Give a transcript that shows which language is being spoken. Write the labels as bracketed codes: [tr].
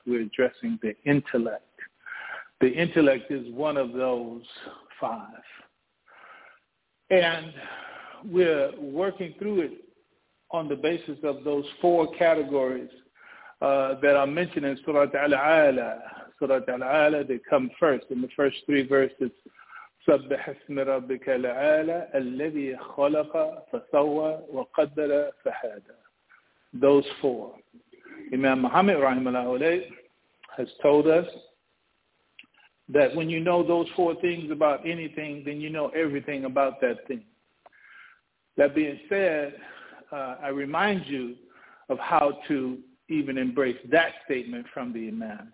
[en] We're addressing the intellect. The intellect is one of those five, and we're working through it on the basis of those four categories that are mentioned in Surah Al-A'la. Surah Al-A'la, they come first. In the first three verses, [ar] سبح اسم ربك العالى الذي خلق فسوى وقدر فهدى. [en] Those four. Imam Muhammad rahimahullah alayh has told us that when you know those four things about anything, then you know everything about that thing. That being said, I remind you of how to even embrace that statement from the Imam.